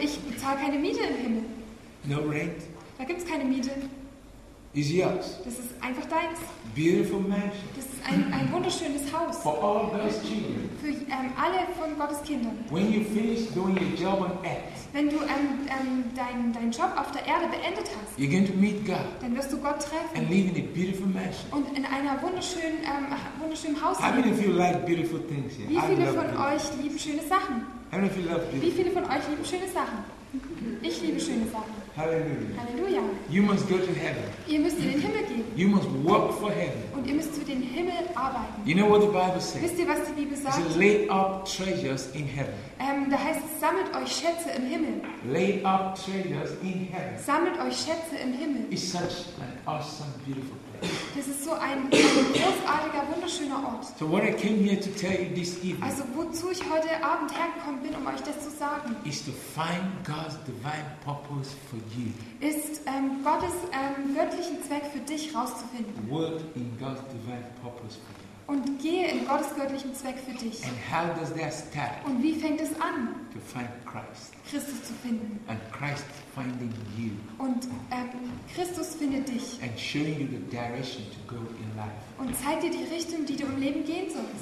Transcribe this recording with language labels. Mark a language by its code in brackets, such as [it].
[de] Ich zahle keine Miete im Himmel. [en] No rent. [de] Da gibt es keine Miete. [en] It's yours. [de] Das ist einfach deins. [en] Beautiful mansion. [de] Das ist ein wunderschönes Haus. [en] For all God's children. [de] Für alle von Gottes Kindern. [en] When you finish doing your job on earth. [de] Wenn du deinen Job auf der Erde beendet hast, [en] you're going to meet God, [de] dann wirst du Gott treffen [en] and live in a beautiful mansion. [de] Und in einer wunderschönen Haus leben. [en] How many of you like beautiful things? Yeah. [de] Wie viele von euch lieben schöne Sachen? [en] How many of you love beautiful? [de] Wie viele von euch lieben schöne Sachen? Ich liebe schöne Sachen. Halleluja. Halleluja. [en] You must go to heaven. [de] Ihr müsst in den Himmel gehen. [en] You must work for heaven. [de] Und ihr müsst für den Himmel arbeiten. [en] You know what the Bible says? [de] Wisst ihr, was die Bibel sagt? [en] Lay up treasures in heaven. [de] Da heißt es, sammelt euch Schätze im Himmel. [en] Lay up treasures in heaven. [de] Sammelt euch Schätze im Himmel. [en] It's such an awesome, beautiful place. [de] Das ist so ein großartiger, wunderschöner Ort. [en] So what I came here to tell you this evening, [de] also wozu ich heute Abend hergekommen bin, um euch das zu sagen, [en] is to find God's divine purpose for you. [de] Ist Gottes göttlichen Zweck für dich herauszufinden. [en] Work in God's divine purpose for you. [de] Und gehe in Gottes göttlichen Zweck für dich. [en] And how does that start? [de] Und wie fängt es an? [en] To find Christ. [de] Christus zu finden. [en] And Christ finding you. [de] Und Christus findet dich. [en] And showing you the direction to go in life. [de] Und zeigt dir die Richtung, die du im Leben gehen sollst.